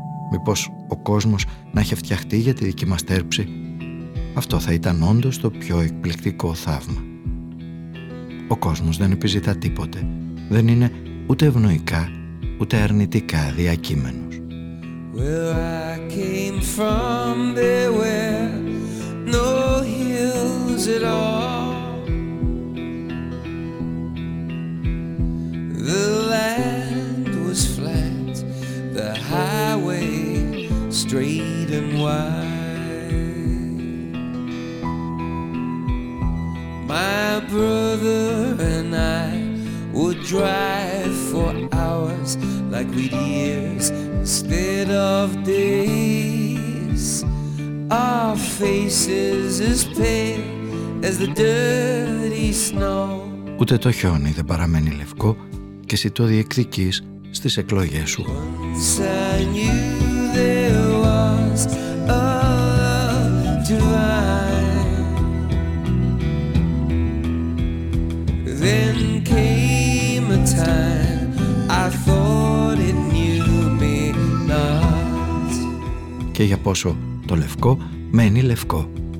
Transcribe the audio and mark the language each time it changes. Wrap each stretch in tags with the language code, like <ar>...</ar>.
<el>Μήπως ο κόσμος να έχει φτιαχτεί για τη δική μας τέρψη? Αυτό θα ήταν όντως το πιο εκπληκτικό θαύμα. Ο κόσμος δεν επιζητά τίποτε. Δεν είναι ούτε ευνοϊκά, ούτε αρνητικά διακείμενος.</el> <en>Well, I came from there where no hills at all. The land was flat, the highway straight and wide. My brother and I would drive for hours like we'd years instead of days. Our faces as pale as the dirty snow.</en> <el>Ούτε το χιόνι δεν παραμένει λευκό και εσύ το διεκδικείς στις εκλογές σου.</el> <en>Once I knew there was a love divine. Then came a time I thought it knew me not.</en> <el>Και για πόσο το λευκό μένει λευκό.</el>